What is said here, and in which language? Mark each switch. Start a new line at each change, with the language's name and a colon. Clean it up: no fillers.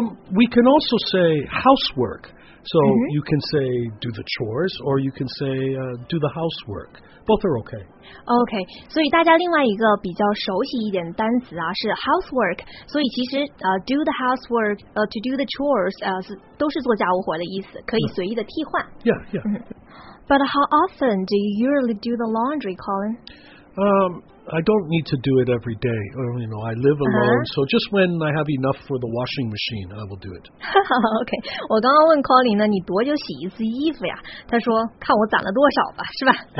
English: We can also say housework. So you can say do the chores, or you can say do the housework. Both are okay.
Chinese: Okay, 所以大家另外一个比较熟悉一点的单词啊是 housework. 所以其实
English: do the housework, to do the chores,
Chinese: 都是做家务活的意思，可以随意的替换。
English: Yeah, yeah. But how often do you usually do the laundry, Colin? I don't need to do it every day. You know, I live alone,so just when I have enough for the washing machine, I will do it.
Chinese: Okay, 我刚刚问 Colin 呢，你多久洗一次衣服呀？他说，看我攒了多少吧，是吧？